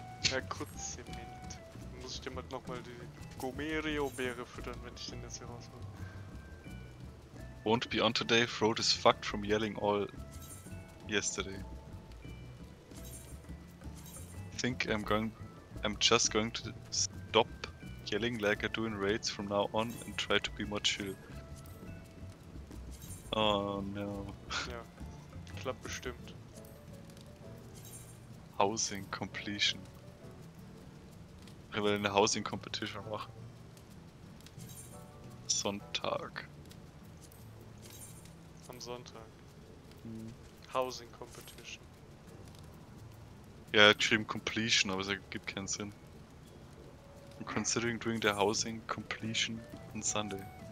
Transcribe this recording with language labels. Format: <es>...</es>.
<de>Herr Kurzement, muss ich dir mal nochmal die Gomerio-Beere füttern, wenn ich den jetzt hier raushole.</de> <en>Won't be on today, throat is fucked from yelling all yesterday. Think I'm just going to stop yelling like I do in raids from now on and try to be more chill. Oh no.</en> <de>Ja, klappt bestimmt.</de> <en>Housing completion.</en> <de>Ich will eine Housing Competition machen. Sonntag. Am Sonntag. Hm. Housing Competition. Ja, geschrieben Completion, aber es ergibt keinen Sinn.</de> <en>I'm considering doing the Housing Completion on Sunday.</en>